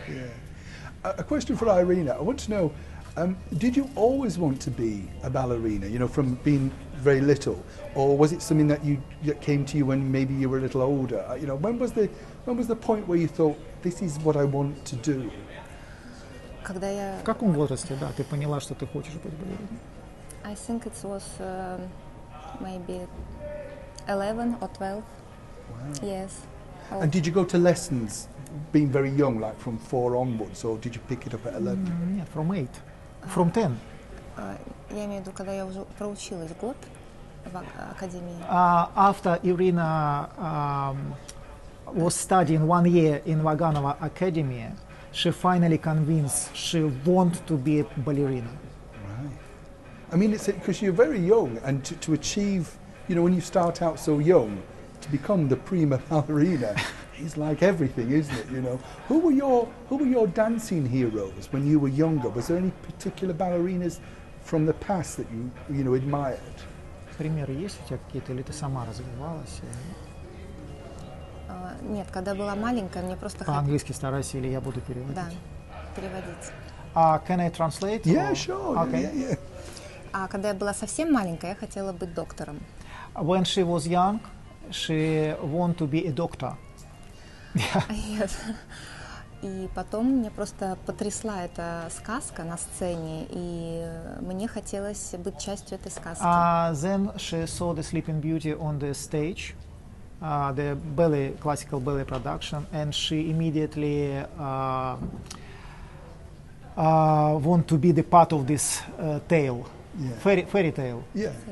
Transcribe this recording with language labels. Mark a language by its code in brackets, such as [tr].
[en] Yeah. A question for Irina. I want to know, did you always want to be a ballerina, you know, from being very little, or was it something that came to you when maybe you were a little older? You know, when was the point where you thought, this is what I want to do? [ru] Когда я в каком возрасте, да, ты поняла, что ты хочешь быть балериной? [en] I think it was maybe 11 or 12. Wow. Yes. And did you go to lessons being very young, like from 4 onwards, or did you pick it up at 11? Yeah, from 8. From 10. [ru] Я имею в виду, когда я уже проучилась год в академии. [en] After Irina was studying 1 year in Vaganova Academy, she finally convinced she wanted to be a ballerina. Right. I mean, it's because you're very young, and to achieve, you know, when you start out so young, to become the prima ballerina is like everything, isn't it? You know, who were your dancing heroes when you were younger? Was there any particular ballerinas from the past that you know, admired? [ru] Примеры есть у тебя какие-то, или ты сама развивалась? Нет, когда была маленькая, мне просто... По-английски старайся, или я буду переводить? Да, переводить. [en] Can I translate? Yeah, or? Sure. Okay. Yeah, yeah. [ru] Когда я была совсем маленькая, я хотела быть доктором. [en] When she was young, she wanted to be a doctor. Yes. [ru] И потом мне просто потрясла эта сказка на сцене, и мне хотелось быть частью этой сказки. [en] Then she saw the Sleeping Beauty on the stage. The ballet, classical ballet production, and she immediately want to be the part of this tale, yeah. Fairy tale. Yeah,